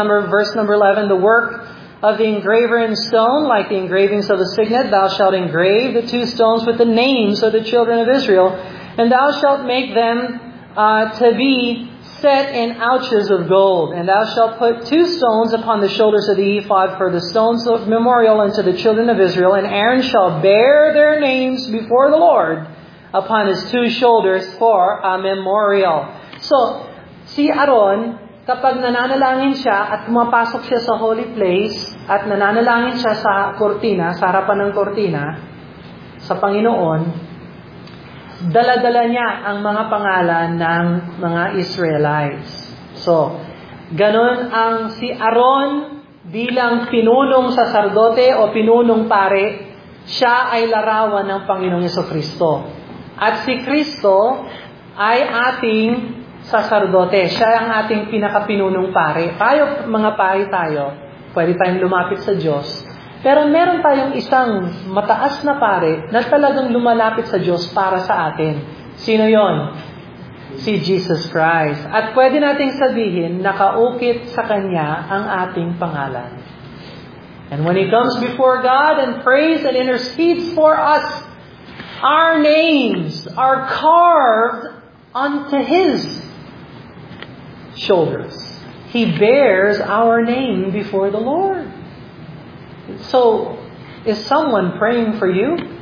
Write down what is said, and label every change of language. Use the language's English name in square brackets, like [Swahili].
[English] Verse number 11, the work of the engraver in stone, like the engravings of the signet, thou shalt engrave the two stones with the names of the children of Israel, and thou shalt make them to be set in ouches of gold. And thou shalt put two stones upon the shoulders of the ephod for the stones of memorial unto the children of Israel, and Aaron shall bear their names before the Lord upon his two shoulders for a memorial. [Filipino] So, si Aaron, kapag nananalangin siya at pumapasok siya sa holy place at nananalangin siya sa kortina, sa harapan ng kortina, sa Panginoon, dala-dala niya ang mga pangalan ng mga Israelites. So, ganun ang si Aaron bilang pinunong sasardote o pinunong pare, siya ay larawan ng Panginoong Jesucristo. At si Kristo ay ating sasardote. Siya ang ating pinakapinunong pare. Tayo, mga pare tayo, pwede tayong lumapit sa Diyos. Pero meron tayong isang mataas na pare na talagang lumalapit sa Diyos para sa atin. Sino yon? Si Jesus Christ. At pwede nating sabihin, nakaukit sa Kanya ang ating pangalan. [English] And when He comes before God and prays and intercedes for us, our names are carved onto His shoulders. He bears our name before the Lord. So, is someone praying for you?